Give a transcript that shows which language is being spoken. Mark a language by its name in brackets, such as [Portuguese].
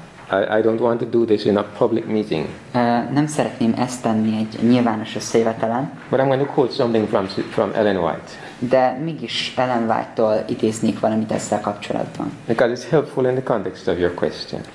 [English] I don't want to do this in a public meeting. [Hungarian] Nem szeretném ezt tenni egy nyilvános összejövetelen. [English] But I'm going to quote something from Ellen White. [Hungarian] De mégis Ellen White-tól idéznék valamit ezzel kapcsolatban. [English] Because it's helpful in the context of your question.